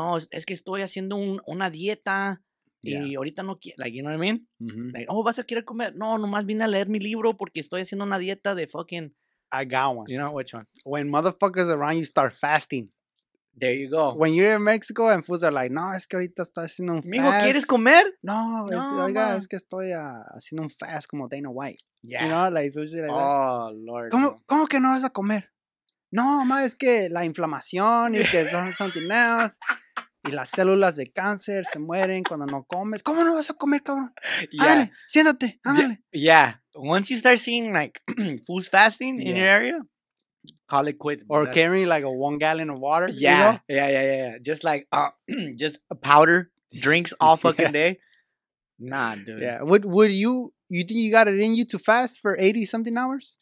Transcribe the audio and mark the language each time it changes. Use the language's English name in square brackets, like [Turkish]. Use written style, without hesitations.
[Spanish] Es que estoy haciendo una dieta. [English] Yeah. [Spanish] Y ahorita no quiero, [English] like, you know what I mean? Mm-hmm. Like, oh, [Spanish] ¿vas a querer comer? No, nomás vine a leer mi libro porque estoy haciendo una dieta de fucking... [English] I got one. You know which one? When motherfuckers around you start fasting. There you go. When you're in Mexico and fools are like, [Spanish] no, es que ahorita estoy haciendo un fast. Mijo, ¿quieres comer? No, es que estoy haciendo un fast como Dana White. [English] Yeah. You know, like, sushi like oh, that. Lord. [Spanish] ¿Cómo que no vas a comer? No, ma, es que la inflamación y que [English] something else... [Spanish] Y las células de cáncer se mueren cuando no comes. ¿Cómo no vas a comer, cabrón? [English] Yeah. [Spanish] Ándale, siéntate, ándale. [English] Yeah. Once you start seeing, like, food fasting in your area, call it quits. Or carrying, like, a 1 gallon of water. Yeah. You know? Yeah. Just, like, just a powder, drinks all fucking day. Nah, dude. Yeah. Would you think you got it in you to fast for 80-something hours?